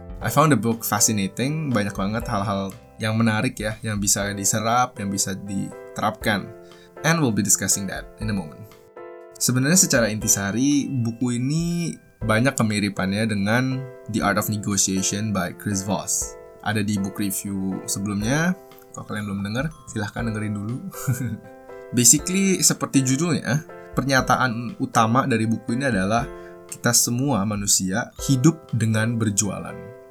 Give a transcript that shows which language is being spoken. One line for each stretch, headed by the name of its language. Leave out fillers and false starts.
English: I found the book fascinating,
Indonesian: banyak banget hal-hal yang menarik ya, yang bisa diserap, yang bisa diterapkan.
English: And we'll be discussing that in a moment.
Indonesian: Sebenarnya secara intisari, buku ini banyak kemiripannya dengan The Art of Negotiation by Chris Voss. Ada di book review sebelumnya. Kalau kalian belum dengar, silahkan dengerin dulu.
English: Basically,
Indonesian: seperti judulnya, pernyataan utama dari buku ini adalah kita semua manusia hidup dengan berjualan.